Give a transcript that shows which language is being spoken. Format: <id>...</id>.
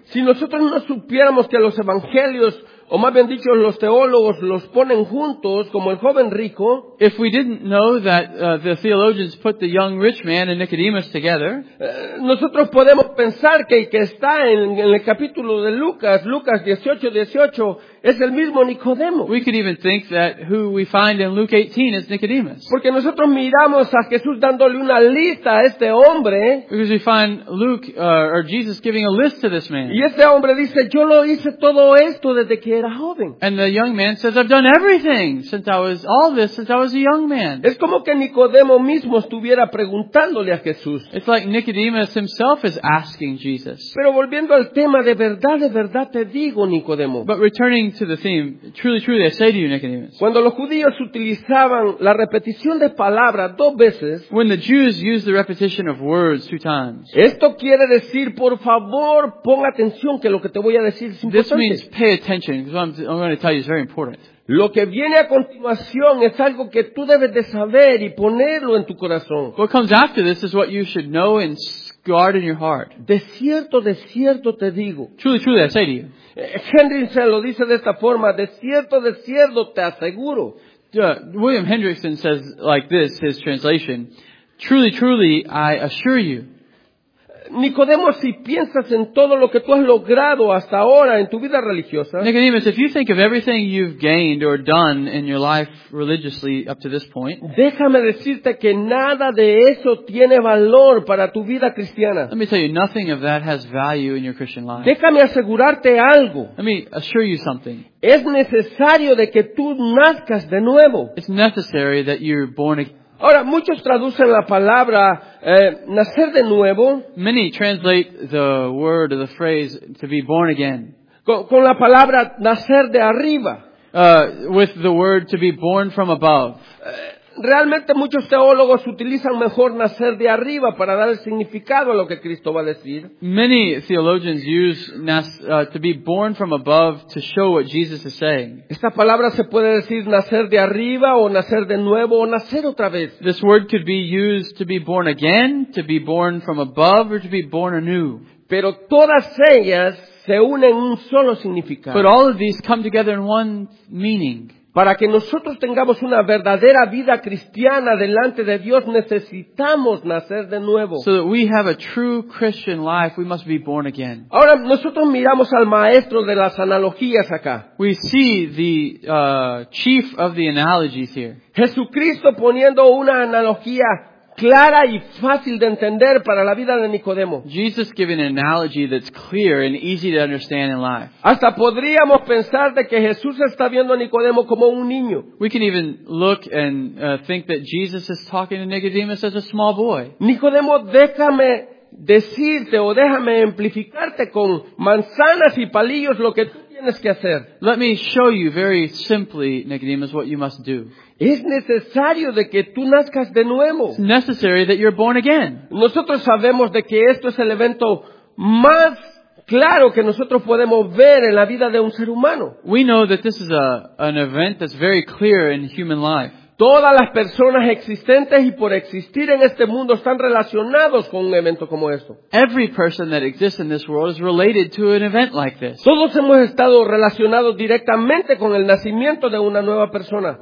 <es>Si nosotros no supiéramos que los evangelios, o más bien dicho, los teólogos los ponen juntos como el joven rico,</es> <en>if we didn't know that the theologians put the young rich man and Nicodemus together,</en> <es>nosotros podemos pensar que el que está en el capítulo de Lucas, Lucas 18:18, es el mismo Nicodemo.</es> <en>We could even think that who we find in Luke 18 is Nicodemus.</en> <es>Porque nosotros miramos a Jesús dándole una lista a este hombre.</es> <en>Because we find Luke or Jesus giving a list to this man.</en> <es>Y este hombre dice, yo lo hice todo esto desde que era joven.</es> <en>And the young man says, I've done everything since I was all this since I was a young man.</en> <es>Es como que Nicodemo mismo estuviera preguntándole a Jesús.</es> <en>It's like Nicodemus himself is asking Jesus.</en> <es>Pero volviendo al tema, de verdad te digo, Nicodemo.</es> <en>But returning to the theme, truly, truly, I say to you, Nicodemus.</en> <es>Cuando los judíos utilizaban la repetición de palabras dos veces,</es> <en>when the Jews used the repetition of words two times,</en> <es>esto quiere decir, por favor, pon atención que lo que te voy a decir es importante.</es> <en>This means pay attention, because what I'm going to tell you is very important.</en> <es>Lo que viene a continuación es algo que tú debes de saber y ponerlo en tu corazón.</es> <en>What comes after this is what you should know and guard in your heart.</en> <es>De cierto te digo.</es> <en>Truly, truly, I say to you.</en> <es>Hendrickson lo dice de esta forma. De cierto te aseguro.</es> <en>William Hendrickson says like this, his translation. Truly, truly, I assure you.</en> <es>Nicodemo, si piensas en todo lo que tú has logrado hasta ahora en tu vida religiosa,</es> <en>Nicodemus, if you think of everything you've gained or done in your life religiously up to this point,</en> <es>déjame decirte que nada de eso tiene valor para tu vida cristiana.</es> <en>Let me tell you, nothing of that has value in your Christian life.</en> <es>Déjame asegurarte algo.</es> <en>Let me assure you something.</en> <es>Es necesario de que tú nazcas de nuevo.</es> <en>It's necessary that you're born again.</en> <es>Ahora, muchos traducen la palabra nacer de nuevo.</es> <en>Many translate the word or the phrase to be born again.</en> <es>Con la palabra nacer de arriba.</es> <en>With the word to be born from above.</en> <es>Realmente muchos teólogos utilizan mejor nacer de arriba para dar el significado a lo que Cristo va a decir.</es> <en>Many theologians use to be born from above to show what Jesus is saying.</en> <es>Esta palabra se puede decir nacer de arriba o nacer de nuevo o nacer otra vez.</es> <en>This word could be used to be born again, to be born from above, or to be born anew.</en> <es>Pero todas ellas se unen en un solo significado.</es> <en>But all of these come together in one meaning.</en> <es>Para que nosotros tengamos una verdadera vida cristiana delante de Dios, necesitamos nacer de nuevo.</es> <en>So that we have a true Christian life, we must be born again.</en> <es>Ahora, nosotros miramos al maestro de las analogías acá.</es> <en>We see the chief of the analogies here.</en> <es>Jesucristo poniendo una analogía clara y fácil de entender para la vida de Nicodemo.</es> <en>Jesus giving an analogy that's clear and easy to understand in life.</en> <es>Hasta podríamos pensar de que Jesús está viendo a Nicodemo como un niño.</es> <en>We can even look and think that Jesus is talking to Nicodemus as a small boy.</en> <es>Nicodemo, déjame decirte o déjame amplificarte con manzanas y palillos lo que tú tienes que hacer.</es> <en>Let me show you very simply, Nicodemus, what you must do.</en> <es>Es necesario de que tú nazcas de nuevo.</es> <en>It's necessary that you're born again.</en> <es>Nosotros sabemos de que esto es el evento más claro que nosotros podemos ver en la vida de un ser humano.</es> <en>We know that this is an event that's very clear in human life.</en> <es>Todas las personas existentes y por existir en este mundo están relacionados con un evento como esto.</es> <en>Every person that exists in this world is related to an event like this.</en> <es>Todos hemos estado relacionados directamente con el nacimiento de una nueva persona.</es>